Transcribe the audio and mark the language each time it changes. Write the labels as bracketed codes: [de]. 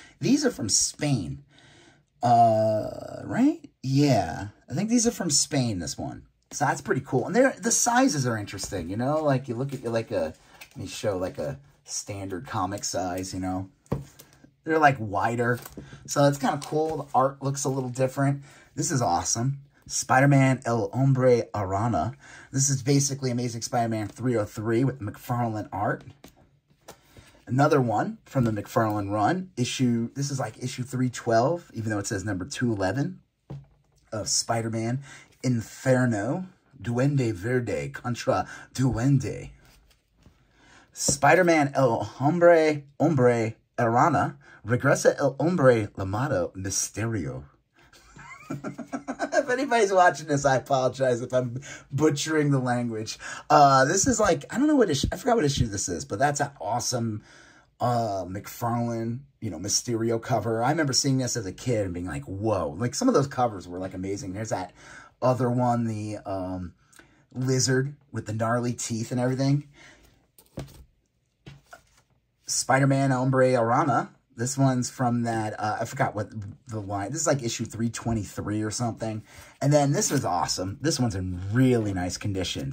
[en] These are from Spain. Right? Yeah. I think these are from Spain, this one. So that's pretty cool. And the sizes are interesting, you know? Like, you look at your, like, a, let me show, like, a standard comic size, you know? They're, like, wider. So it's kind of cool. The art looks a little different. This is awesome. [es] Spider-Man El Hombre Araña. [en] This is basically Amazing Spider-Man 303 with McFarlane art. Another one from the McFarlane run. This is, like, issue 312, even though it says number 211 of Spider-Man Inferno. [es] Duende Verde contra Duende. Spider-Man El Hombre Araña. Regresa el hombre llamado Misterio. [en] If anybody's watching this, I apologize if I'm butchering the language. This is like, I don't know what issue, I forgot what issue this is, but that's an awesome McFarlane, you know, Mysterio cover. I remember seeing this as a kid and being like, whoa. Like, some of those covers were, like, amazing. There's that other one, the lizard with the gnarly teeth and everything. [es] Spider-Man El Hombre Araña. [en] This one's from that, I forgot what the line, this is like issue 323 or something. And then this is awesome. This one's in really nice condition.